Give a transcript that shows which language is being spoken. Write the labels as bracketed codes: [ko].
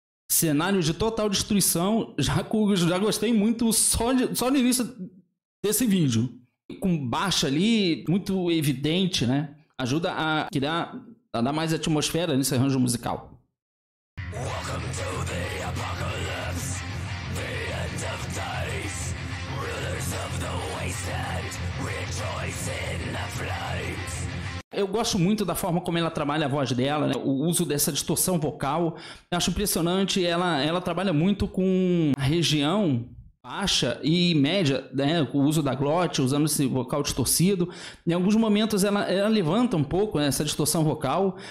[pt] Cenário de total destruição, já gostei muito só no início desse vídeo. Com baixo ali, muito evidente, né? Ajuda a criar, a dar mais atmosfera nesse arranjo musical. [en] Welcome to the apocalypse, the end of days, rulers of the wasteland, rejoice in the flames. [pt] Eu gosto muito da forma como ela trabalha a voz dela, né? O uso dessa distorção vocal. Eu acho impressionante, ela trabalha muito com a região baixa e média, né? Com o uso da glote, usando esse vocal distorcido. Em alguns momentos ela levanta um pouco, né, essa distorção vocal.